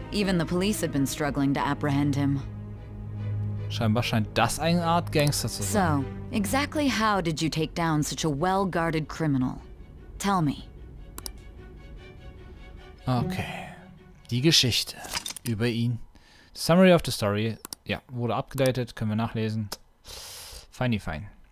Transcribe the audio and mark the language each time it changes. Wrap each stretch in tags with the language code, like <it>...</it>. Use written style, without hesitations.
<en>Even the police had been struggling to apprehend him.</en> <de>Scheinbar scheint das eine Art Gangster zu sein.</de> <en>So, exactly how did you take down such a well-guarded criminal? Tell me.</en> <de>Okay. Die Geschichte über ihn.</de> <en>Summary of the story.</en> <de>Ja, wurde abgedatet, können wir nachlesen. Feini fein.</de>